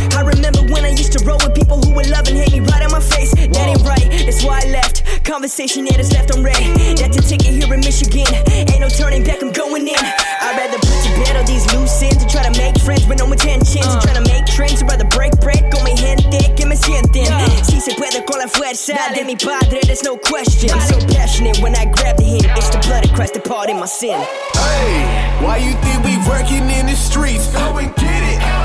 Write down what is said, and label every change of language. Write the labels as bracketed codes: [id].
[en] I remember when I used to roll with people who would love and hate me right on my face. That ain't right, that's why I left. Conversation, yeah, that's left on red. That's a ticket here in Michigan. Ain't no turning back, I'm going in. I'd rather put to bed all these loose ends and try to make friends with no intentions. I'm trying to make trends, I'd rather break bread. [es] Con mi gente, que me sienten. Si se puede con la fuerza de mi padre, [en] there's no question. I'm so passionate when I grab the hint. It's the blood of Christ that pardoned my sin. Hey, why you think we working in the streets? Go and get it.